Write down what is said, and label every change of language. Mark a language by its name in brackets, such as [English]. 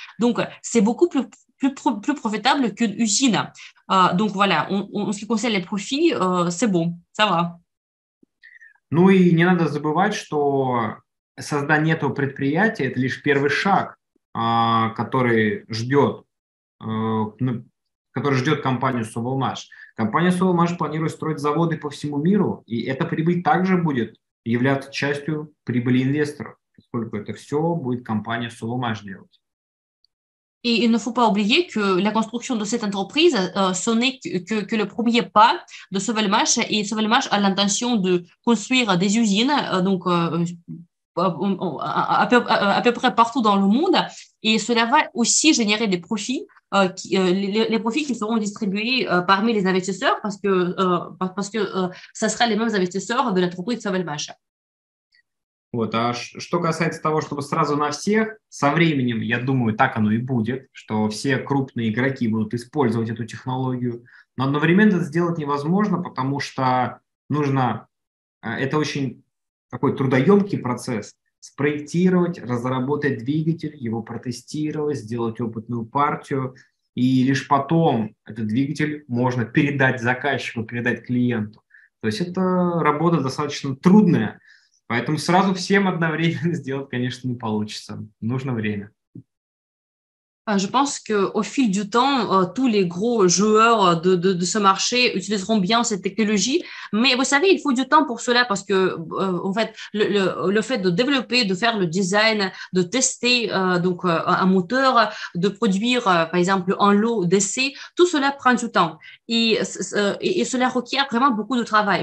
[French] Donc, c'est beaucoup plus profitable qu'une usine. Donc, voilà, en ce qui concerne les profits, c'est bon, ça va. [Russian] Ну и не надо забывать, что создание этого предприятия – это лишь первый шаг, который ждет компанию SolMash. Компания SolMash планирует строить заводы по всему миру, и эта прибыль также будет являться частью прибыли инвесторов, поскольку это все будет компания SolMash делать. [French] Et il ne faut pas oublier que la construction de cette entreprise, ce n'est que le premier pas de SolMash. Et SolMash a l'intention de construire des usines à peu près partout dans le monde. Et cela va aussi générer des profits, les profits qui seront distribués parmi les investisseurs parce que ça sera les mêmes investisseurs de l'entreprise SolMash. [Russian] Вот, а что касается того, чтобы сразу на всех, со временем, я думаю, так оно и будет, что все крупные игроки будут использовать эту технологию, но одновременно это сделать невозможно, потому что нужно, это очень такой трудоемкий процесс, спроектировать, разработать двигатель, его протестировать, сделать опытную партию, и лишь потом этот двигатель можно передать заказчику, передать клиенту. То есть это работа достаточно трудная. Поэтому сразу всем одновременно сделать, конечно, не получится. Нужно время. [French] Je pense que au fil du temps, tous les gros joueurs de ce marché utiliseront bien cette technologie. Mais vous savez, il faut du temps pour cela parce que, en fait, le fait de développer, de faire le design, de tester un moteur, de produire, par exemple, un lot d'essais, tout cela prend du temps et cela requiert vraiment beaucoup de travail.